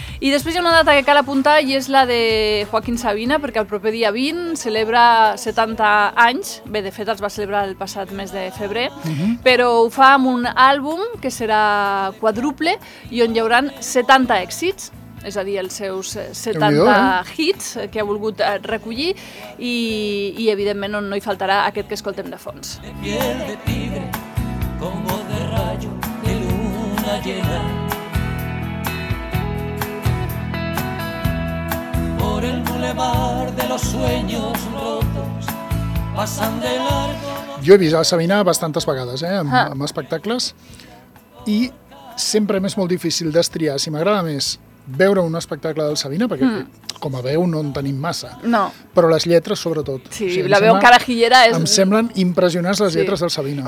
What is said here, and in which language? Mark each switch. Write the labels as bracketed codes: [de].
[ca] I després hi ha una data que cal apuntar i és la de Joaquín Sabina, perquè el proper dia 20 celebra 70 anys, bé, de fet els va celebrar el passat mes de febrer, però ho fa amb un àlbum que serà quadruple i on hi haurà 70 èxits, és a dir, els seus 70 hits que ha volgut recollir i evidentment no hi faltarà aquest que escoltem de fons. [es] De piel de tigre, como de rayo de luna llena. Por el bulevar de los sueños rotos pasan de largo. [ca] Jo he vist a Sabina bastantes vegades, amb espectacles, i sempre m'és molt difícil destriar si m'agrada més veure un espectacle del Sabina, perquè com a veu no en tenim massa, no. Però les lletres sobretot. Sí, o sigui, la veu en carajillera és... Em semblen impressionants les lletres del Sabina.